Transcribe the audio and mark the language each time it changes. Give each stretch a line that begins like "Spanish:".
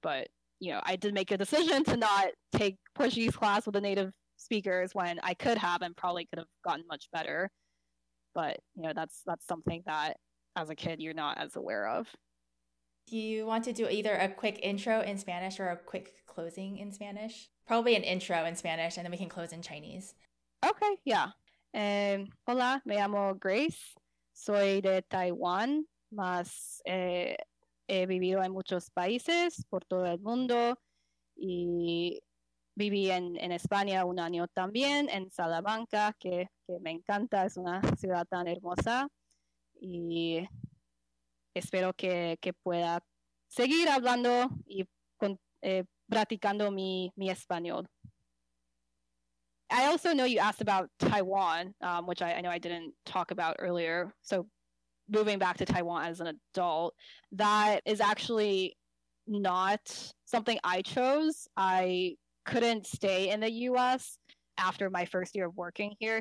English: But, you know, I did make a decision to not take Portuguese class with the native speakers when I could have and probably could have gotten much better. But, you know, that's something that as a kid, you're not as aware of. Do you want to do either a quick intro in Spanish or a quick closing in Spanish? Probably an intro in Spanish, and then we can close in Chinese. Okay, yeah.
Spanish: Hola, me llamo Grace. Soy de Taiwán, mas he vivido en muchos países por todo el mundo. Y viví en España un año también, en Salamanca, que me encanta. Es una ciudad tan hermosa. Y espero que pueda seguir hablando y practicando mi español.
English: I also know you asked about Taiwan, which I know I didn't talk about earlier. So moving back to Taiwan as an adult, that is actually not something I chose. I couldn't stay in the U.S. after my first year of working here.